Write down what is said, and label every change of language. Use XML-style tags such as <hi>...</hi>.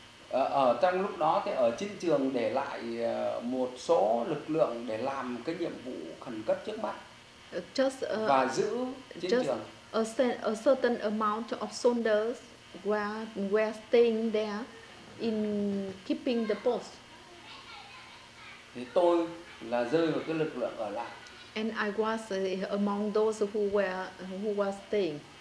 <vi>Ở trong lúc đó thì ở chiến trường để lại một số lực lượng để làm cái nhiệm vụ khẩn cấp trước mắt. Và giữ chiến trường.</vi> <en>A certain amount of soldiers were staying there in keeping the post.</en> <vi>Thì tôi là rơi vào cái lực lượng ở lại.</vi> <en>And I was among those who were staying.</en>